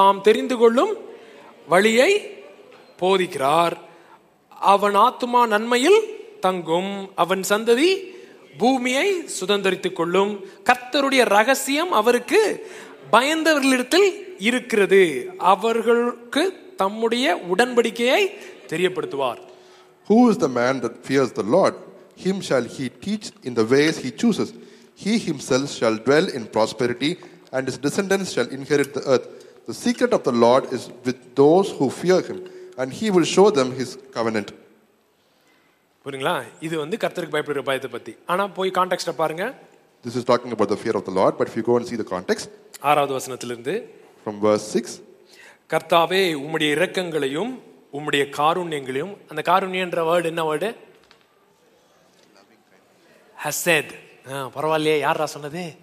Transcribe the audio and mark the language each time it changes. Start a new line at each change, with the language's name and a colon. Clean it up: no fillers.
Tamil: வழியை போதிக்கிறார், அவன் ஆத்துமா நன்மையில் தங்கும், அவன் சந்ததி பூமியை சுதந்திரித்துக் கொள்ளும் கர்த்தருடைய ரகசியம் அவருக்கு பயந்தவர்களிடத்தில் இருக்கிறது. அவர்களுக்கு தம்முடைய உடன்படிக்கையை தெரியப்படுத்துவார்.
English: Who is the man that fears the Lord? Him shall he teach in the ways he chooses. He himself shall dwell in prosperity, and his descendants shall inherit the earth. The secret of the Lord is with those who fear him, and he will show them his covenant.
Tamil: புரியுங்களா? இது வந்து கர்த்தருக்கு பயப்படுற பயத்தை பத்தி. ஆனா போய் context பாருங்க.
English: This is talking about the fear of the Lord, but if you go and see the context.
Tamil: 6வது வசனத்திலிருந்து.
English: From verse 6.
Tamil: கர்த்தாவே உம்முடைய இரக்கங்களையும் உம்முடைய காருண்யங்களையும். அந்த காருண்யன்ற வேர்ட் என்ன வேர்ட்? ஹசேத். பரவாயில்லையே, யாரா சொன்னது?